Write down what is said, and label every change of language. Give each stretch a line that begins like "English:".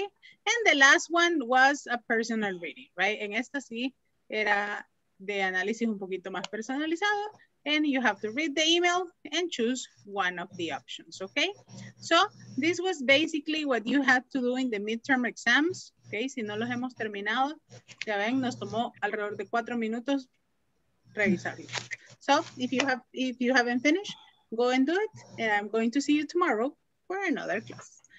English: And the last one was a personal reading, right?
Spanish: En esta sí era de análisis un poquito más personalizado.
English: And you have to read the email and choose one of the options, okay? So this was basically what you had to do in the midterm exams, okay?
Spanish: Si no los hemos terminado, ya ven, nos tomó alrededor de 4 minutos revisarlos.
English: So if you haven't finished, go and do it. And I'm going to see you tomorrow for another class.